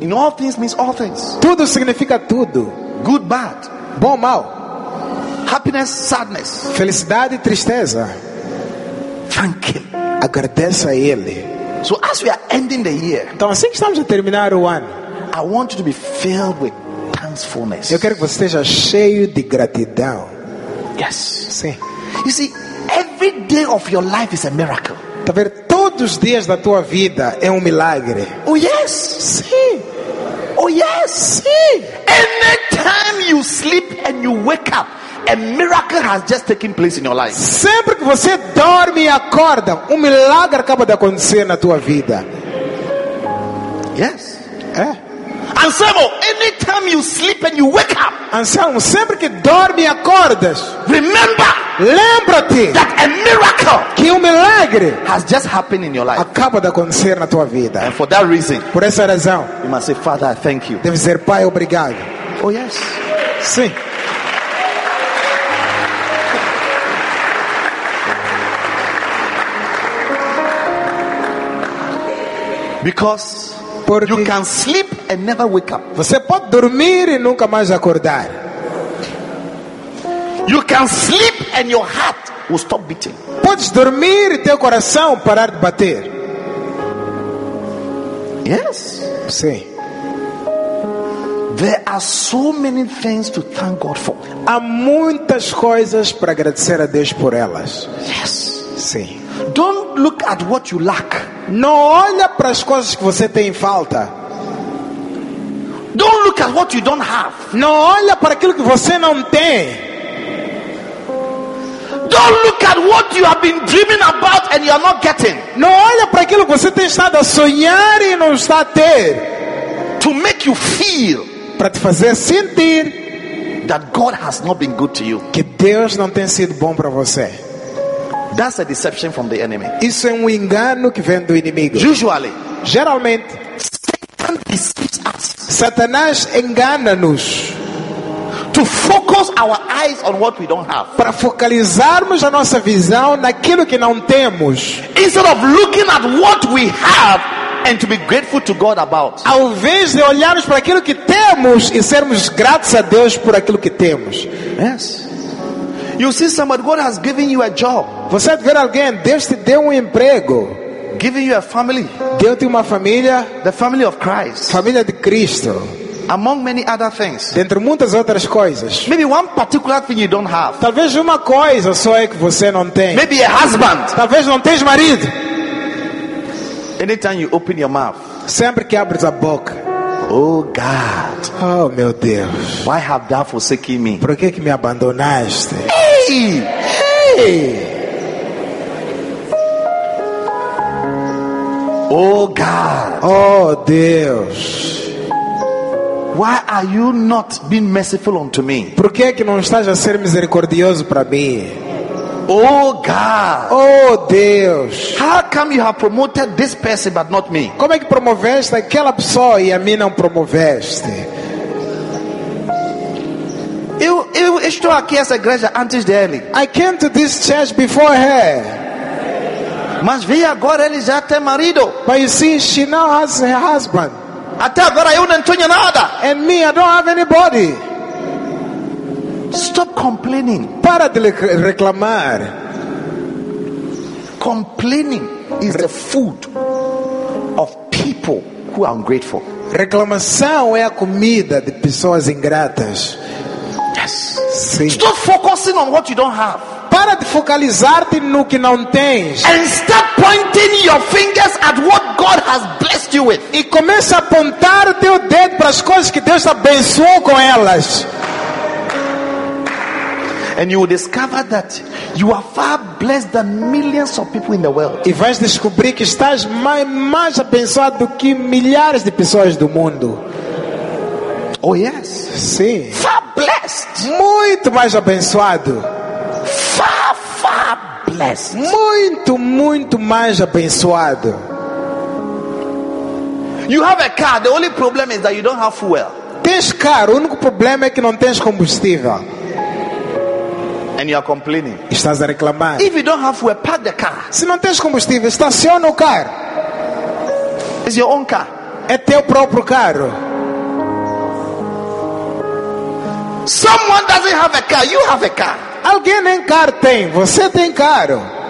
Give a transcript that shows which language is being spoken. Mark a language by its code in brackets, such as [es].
[en] In all things means all things. [pt] Tudo significa tudo. [en] Good, bad. [pt] Bom, mal. [en] Happiness, sadness. [pt] Felicidade, tristeza. [en] Thank him. [pt] Agradeça a ele. [en] So as we are ending the year, [pt] então assim que estamos a terminar o ano, [en] I want you to be filled with thankfulness. [pt] Eu quero que você esteja cheio de gratidão. [en] Yes. [pt] Sim. [en] You see, every day of your life is a miracle. [pt] Tá vendo? Todos os dias da tua vida é um milagre. [en] Oh yes. [pt] Sim. [en] Oh yes. [pt] Sim. [en] Anytime you sleep and you wake up, a miracle has just taken place in your life. [pt] Sempre que você dorme e acorda, um milagre acaba de acontecer na tua vida. [en] Yes. [pt] É. [en] Anselmo, anytime you sleep and you wake up. [pt] Anselmo, sempre que dorme e acordas, [en] remember. [pt] Lembra-te [en] that a miracle, [pt] que um milagre, [en] has just happened in your life. [pt] Acaba de acontecer na tua vida. [en] And for that reason, [pt] por essa razão, [en] you must say, Father, I thank you. [pt] Deve dizer, Pai, obrigado. [en] Oh yes. [pt] Sim. [en] Because [pt] porque [en] you can sleep and never wake up. [pt] Você pode dormir e nunca mais acordar. [en] You can sleep and your heart will stop beating. [pt] Podes dormir e teu coração parar de bater. [en] Yes. [pt] Sim. [en] There are so many things to thank God for. [pt] Há muitas coisas para agradecer a Deus por elas. [en] Yes. [pt] Sim. [en] Don't look at what you lack. [pt] Não olha para as coisas que você tem falta. [en] Don't look at what you don't have. [pt] Não olha para aquilo que você não tem. [en] Don't look at what you have been dreaming about and you are not getting. [pt] Não olha para aquilo que você tem estado a sonhar e não está a ter. [en] To make you feel, [pt] para te fazer sentir, [en] that God has not been good to you. [pt] Que Deus não tem sido bom para você. [en] That's a deception from the enemy. [pt] Isso é um engano que vem do inimigo. [en] Usually, [pt] geralmente, [en] Satan deceives us. [pt] Satanás engana-nos. [en] To focus our eyes on what we don't have. [pt] Para focalizarmos a nossa visão naquilo que não temos. [en] Instead of looking at what we have and to be grateful to God about. [pt] Ao invés de olharmos para aquilo que temos e sermos gratos a Deus por aquilo que temos. [en] Yes. You see somebody, God has given you a job. [pt] Você vê alguém, Deus te deu emprego. [en] Giving you a family. [pt] Deu-te uma família. [en] The family of Christ. [pt] Família de Cristo. [en] Among many other things. [pt] Dentre muitas outras coisas. [en] Maybe one particular thing you don't have. [pt] Talvez uma coisa só é que você não tem. [en] Maybe a husband. [pt] Talvez não tens marido. [en] Anytime you open your mouth. [pt] Sempre que abres a boca. [en] Oh God. [pt] Oh meu Deus. [en] Why have thou forsaken me? [pt] Por que me abandonaste? Hey! Hey! [en] Oh God. [pt] Oh Deus. [en] Why are you not being merciful unto me? [pt] Por que não estás a ser misericordioso para mim? [en] Oh God. [pt] Oh Deus. [en] How come you have promoted this person but not me? [pt] Como é que promoveste aquela pessoa e a mim não promoveste? Eu, eu, estou aqui nessa igreja antes dele. [en] I came to this church before her. [pt] Mas vi agora ele já tem marido. [en] But you see, she now has her husband. [pt] Até agora eu não tenho nada. [en] And me, I don't have anybody. Stop complaining. [pt] Para de reclamar. [en] Complaining is the food of people who are ungrateful. [pt] Reclamação é a comida de pessoas ingratas. [en] Yes. [pt] Sim. [en] Stop focusing on what you don't have. [pt] Para de focalizar-te no que não tens. [en] And start pointing your fingers at what God has blessed you with. [pt] E começa a apontar teu dedo para as coisas que Deus abençoou com elas. [en] And you will discover that you are far blessed than millions of people in the world. [pt] E vais descobrir que estás mais abençoado do que milhares de pessoas do mundo. [en] Oh yes. [pt] Sim. [en] Far blessed. [pt] Muito mais abençoado. [en] Far, far blessed. [pt] Muito, muito mais abençoado. [en] You have a car. The only problem is that you don't have fuel. [pt] Tens carro. O único problema é que não tens combustível. [en] And you are complaining. [pt] Estás a reclamar. [en] If you don't have fuel, park the car. [pt] Se não tens combustível, estaciona o carro. [en] It's your own car. [pt] É teu próprio carro. [en] Someone doesn't have a car. You have a car. [pt] Alguém nem carro tem. Você tem carro.